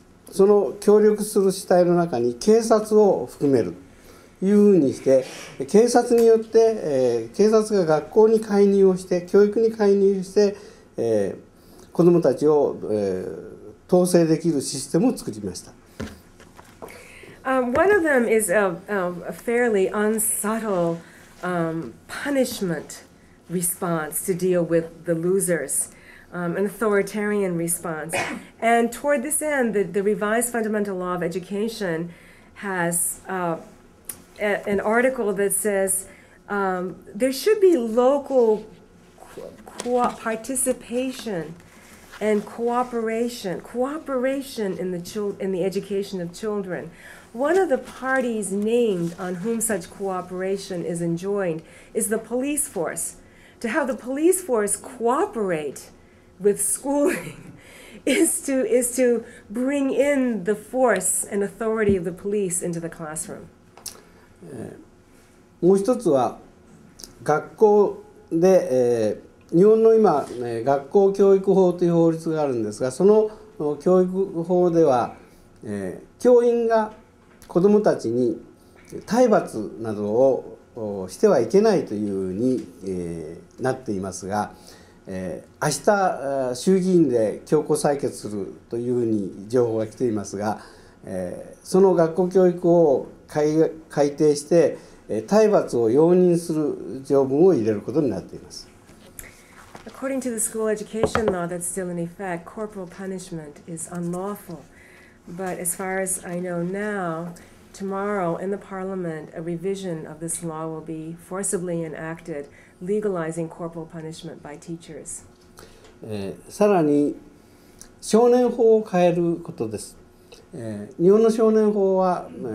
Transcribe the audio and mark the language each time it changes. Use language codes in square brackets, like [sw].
[ja] その協力する主体の中に警察を含めるというふうにして、警察によって、警察が学校に介入をして、教育に介入して、子どもたちを、統制できるシステムを作りました。 [en] One of them is a fairly unsubtle punishment response to deal with the losers, an authoritarian response. And toward this end, the revised fundamental law of education has an article that says there should be local participation and cooperation in the education of children. One of the parties named on whom such cooperation is enjoined is the police force. To have the police force cooperate with schooling is to bring in the force and authority of the police into the classroom. [ja] もう一つは、学校で、日本の今、学校教育法という法律があるんですが、その教育法では、教員が子どもたちに体罰などをしてはいけないというふうになっていますが、明日衆議院で強行採決するというふうに情報が来ていますが、その学校教育を改定して体罰を容認する条文を入れることになっています。 [en] According to the school education law that's still in effect, corporal punishment is unlawful. But as far as I know now, tomorrow in the parliament, a revision of this law will be forcibly enacted, legalizing corporal punishment by teachers. [ja] さらに、少年法を変えることです。日本の少年法は、